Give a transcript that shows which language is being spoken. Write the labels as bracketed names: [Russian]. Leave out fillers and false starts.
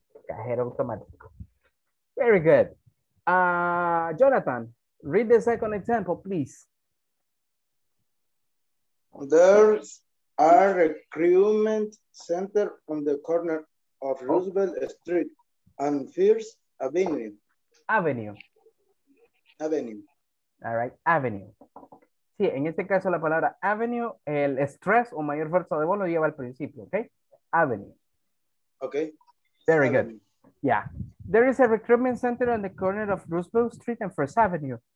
[Spanish] Cajero automático. [English] Very good. Jonathan, read the second example, please. There's a recruitment center on the corner of Roosevelt Street and First Avenue. Avenue. All right, avenue. [Spanish] Sí, en este caso la palabra avenue, el stress o mayor fuerza de voz lo lleva al principio, ¿ok? [English] Avenue. Okay. Very avenue. Good. Yeah. There is a recruitment center on the corner of Roosevelt Street and First Avenue.